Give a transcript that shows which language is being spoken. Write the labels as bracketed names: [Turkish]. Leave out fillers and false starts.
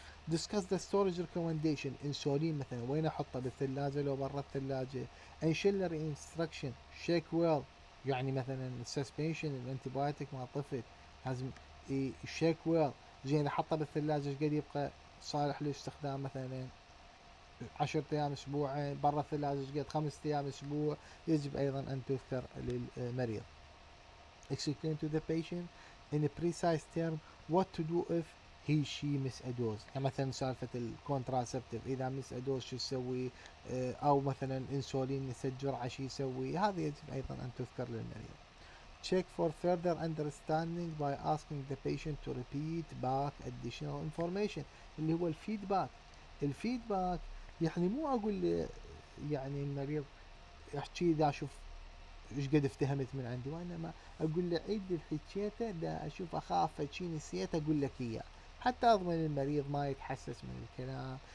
[English] discuss the storage recommendation، [Arabic] انسولين مثلا وين احطه، بالثلاجه لو برا الثلاجه؟ [English] انشلر instruction check well, [Arabic] يعني مثلا السسبنشن الانتيبايوتيك مال طفل لازم شيك ويل، زين احطه بالثلاجه ايش قد يبقى صالح للاستخدام مثلا؟ 10 أيام أسبوعين، برا 3 أشهر، 5 أيام أسبوع. يجب أيضا أن تذكر للمريض. [English] Explain to the patient in a precise term what to do if he she miss a dose. [Arabic] يعني مثلا سالفة الكونتراسبتيف، إذا مس [English] a dose [Arabic] شو يسوي، أو مثلا إنسولين نسيت جرعة شو يسوي. هذا يجب أيضا أن تذكر للمريض. [English] Check for further understanding by asking the patient to repeat back additional information. [Arabic] اللي هو الفيدباك. الفيدباك يعني مو أقول يعني المريض يحكي إذا أشوف إيش قد افتهمت من عندي، وإنما أقول له عيد الحكيته إذا أشوف أخاف شيء نسيت أقول لك إياه، حتى أضمن المريض ما يتحسس من الكلام.